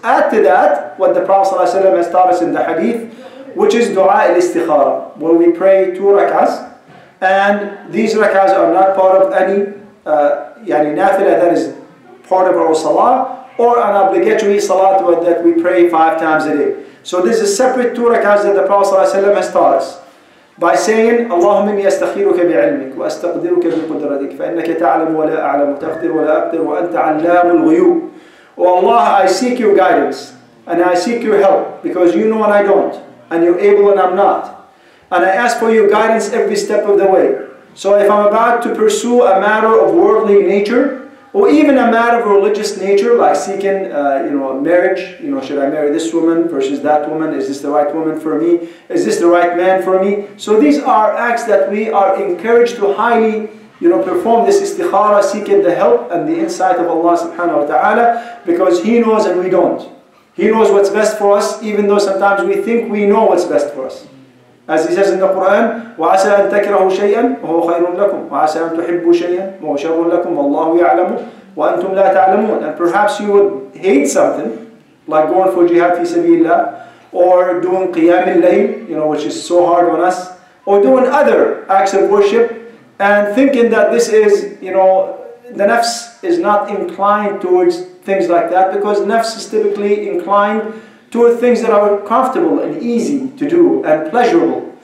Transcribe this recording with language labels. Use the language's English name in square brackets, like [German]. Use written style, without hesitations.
[English] Add to that what the Prophet ﷺ has taught us in the hadith, which is dua al-istikhara, where we pray two rak'ahs, and these rak'ahs are not part of any nafila, that is part of our salah, or an obligatory salat that we pray five times a day. So this is separate two rak'ahs that the Prophet ﷺ has taught us, by saying, [Arabic] اللهم إني أستخيرك بعلمك وأستقدرك بقدرتك فإنك تعلم ولا أعلم تقدر ولا أقدر وأنت علام الغيوب. [English] Oh Allah, I seek your guidance and I seek your help because you know and I don't, and you're able and I'm not, and I ask for your guidance every step of the way. So if I'm about to pursue a matter of worldly nature, or even a matter of religious nature, like seeking, marriage. You know, should I marry this woman versus that woman? Is this the right woman for me? Is this the right man for me? So these are acts that we are encouraged to highly, perform this istikhara, seeking the help and the insight of Allah subhanahu wa ta'ala, because He knows and we don't. He knows what's best for us, even though sometimes we think we know what's best for us. As He says in the Quran, [Arabic] وَعَسَىٰ أَن تَكْرَهُ شَيْئًا وَهُوَ خَيْرٌ لَكُمْ وَعَسَىٰ أَن تُحِبُّ شَيْئًا وَهُوَ شَرٌ لَكُمْ وَاللَّهُ يَعْلَمُ وَأَنْتُمْ لَا تَعْلَمُونَ. [English] And perhaps you would hate something, like going for jihad fi sabilillah, or doing qiyam al-layl, which is so hard on us, or doing other acts of worship, and thinking that this is, the nafs is not inclined towards things like that, because nafs is typically inclined toward things that are comfortable and easy to do and pleasurable.